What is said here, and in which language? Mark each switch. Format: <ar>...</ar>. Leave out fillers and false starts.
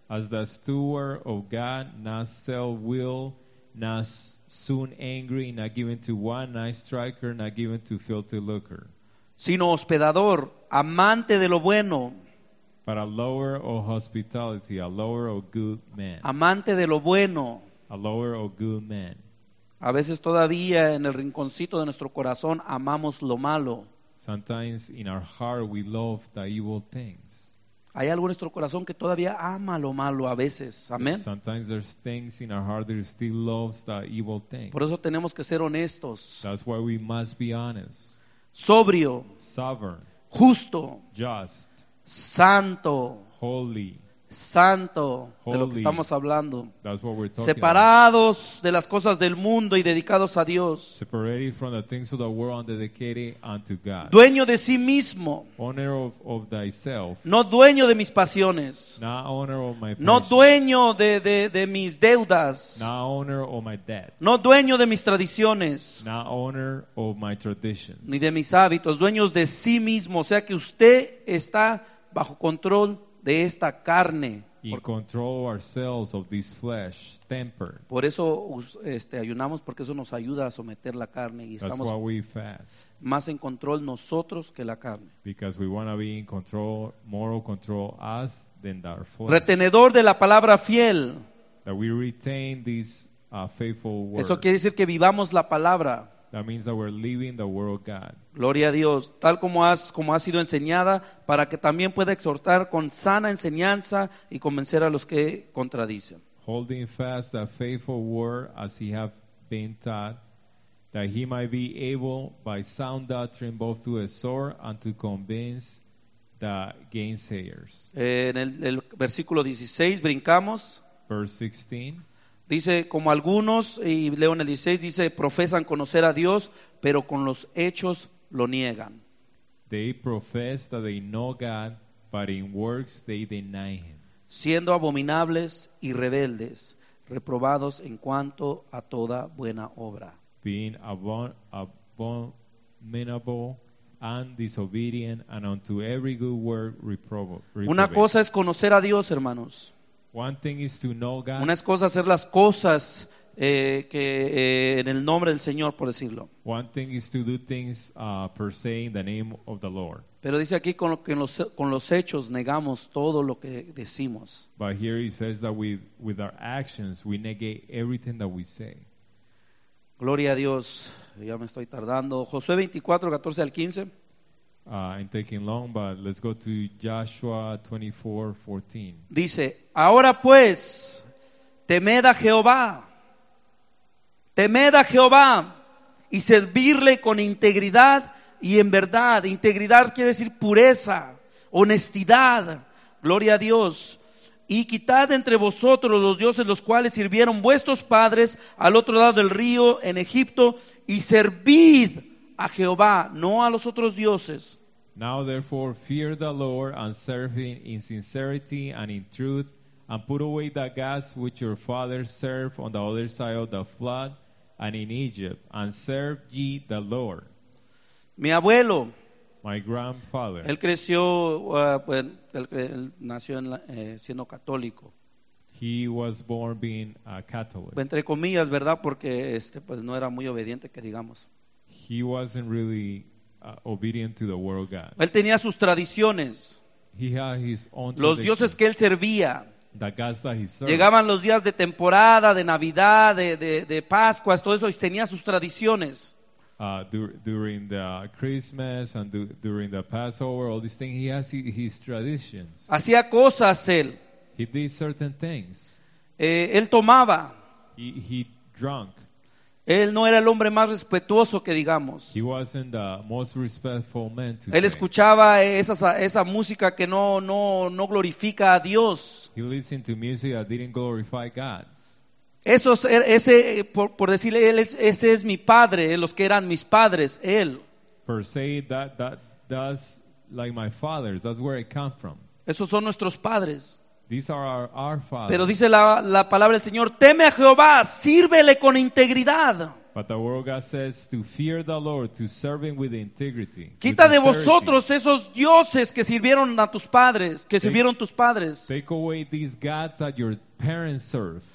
<en>As the steward of God, not self-willed, not soon angry, not given to one night striker, not given to filthy looker,</en> <es>sino hospedador, amante de lo bueno,</es> <en>but a lover of hospitality, a lover of good men,</en> <es>amante de lo bueno,</es> <en>a lover of good men.</en> <es>A veces todavía en el rinconcito de nuestro corazón amamos lo malo.</es> <en>Sometimes in our heart we love the evil things.</en> <es>Hay algo en nuestro corazón que todavía ama lo malo a veces. Amén.</es> <en>Sometimes there's things in our heart that still loves the evil things.</en> <es>Por eso tenemos que ser honestos.</es> <en>That's why we must be honest.</en> <es>Sobrio.</es> <en>Sovereign.</en> <es>Justo.</es> <en>Just.</en> <es>Santo.</es> <en>Holy.</en> <es>Santo.</es> <en>Holy.</en> <es>De lo que estamos hablando.</es> <en>That's what we're talking</en> <es>separados</es> <en>about.</en> <es>De las cosas del mundo y dedicados a Dios.</es> <en>Separated from the things of the world and dedicated unto God.</en> <es>Dueño de sí mismo.</es> <en>Owner of thyself.</en> <es>No dueño de mis pasiones.</es> <en>Not owner of my passions.</en> <es>No dueño de mis deudas.</es> <en>Not owner of my debt.</en> <es>No dueño de mis tradiciones.</es> <en>Not owner of my traditions.</en> <es>Ni de mis hábitos. Dueños de sí mismo. O sea que usted está bajo control de esta carne.</es> <en>In control of ourselves, of this flesh, temper.</en> <es>Por eso ayunamos, porque eso nos ayuda a someter la carne y</es> <en>that's</en> <es>estamos</es> <en>why we fast.</en> <es>Más en control nosotros que la carne.</es> <en>Because we want to be in control, moral control, us than our flesh.</en> <es>Retenedor de la palabra fiel.</es> <en>That we retain this faithful word.</en> <es>Eso quiere decir que vivamos la palabra.</es> <en>That means that we're living the word of God.</en> <es>Gloria a Dios. Tal como ha sido enseñada, para que también pueda exhortar con sana enseñanza y convencer a los que contradicen.</es> <en>Holding fast the faithful word as he have been taught, that he might be able by sound doctrine both to exhort and to convince the gainsayers.</en> <es>En el versículo 16, brincamos.</es> <en>Verse 16.</en> <es>Dice, como algunos, y leo en el 16, dice, profesan conocer a Dios, pero con los hechos lo niegan.</es> <en>They profess that they know God, but in works they deny him.</en> <es>Siendo abominables y rebeldes, reprobados en cuanto a toda buena obra.</es> <en>Being abominable and disobedient, and unto every good work reprobate.</en> <es>Una cosa es conocer a Dios, hermanos.</es> <en>One thing is to know God.</en> <es>Una cosa es hacer las cosas en el nombre del Señor, por decirlo.</es> <en>One thing is to do things per se in the name of the Lord.</en> <es>Pero dice aquí con los hechos negamos todo lo que decimos.</es> <en>But here he says that with our actions we negate everything that we say.</en> <es>Gloria a Dios. Ya me estoy tardando. Josué 24, 14 al 15.</es> <en>I'm taking long, but let's go to Joshua 24:14.</en> <es>Dice, ahora pues, temed a Jehová. Temed a Jehová y servirle con integridad y en verdad. Integridad quiere decir pureza, honestidad, gloria a Dios. Y quitad entre vosotros los dioses los cuales sirvieron vuestros padres al otro lado del río en Egipto y servid a Jehová, no a los otros dioses.</es> <en>Now therefore fear the Lord and serve him in sincerity and in truth, and put away the gods which your fathers served on the other side of the flood and in Egypt, and serve ye the Lord.</en> <es>Mi abuelo,</es> <en>my grandfather,</en> <es>él creció, él nació siendo católico.</es> <en>He was born being a Catholic.</en> <es>Entre comillas, ¿verdad? Porque pues no era muy obediente, que digamos.</es> <en>He wasn't really obedient to the world God.</en> <es>Él tenía sus tradiciones.</es> <en>He had his own traditions.</en> <es>Los dioses que él servía.</es> <en>The gods that he served.</en> <es>Llegaban los días de temporada, de Navidad, de Pascuas, todo eso, y tenía sus tradiciones.</es> <en>During the Christmas and during the Passover, all these things, he has his traditions.</en> <es>Hacía cosas él.</es> <en>He did certain things.</en> <es>Él tomaba.</es> <en>He drank.</en> <es>Él no era el hombre más respetuoso que digamos.</es> <en>He wasn't the most respectful man to say.</en> <es>Él escuchaba esa música que no glorifica a Dios.</es> <en>He listened to music that didn't glorify God.</en> <es>Por decirle, ese es mi padre, los que eran mis padres, él.</es> <en>Per se, that's like my fathers, that's where I come from.</en> <es>Esos son nuestros padres.</es> <en>These are our fathers.</en> <es>Pero dice la palabra del Señor, teme a Jehová, sírvele con integridad.</es> <en>But the word of God says to fear the Lord, to serve him with integrity.</en> <es>Quita de vosotros esos dioses que sirvieron a tus padres, sirvieron tus padres.</es> <en>Take away these gods that your parents served.</en>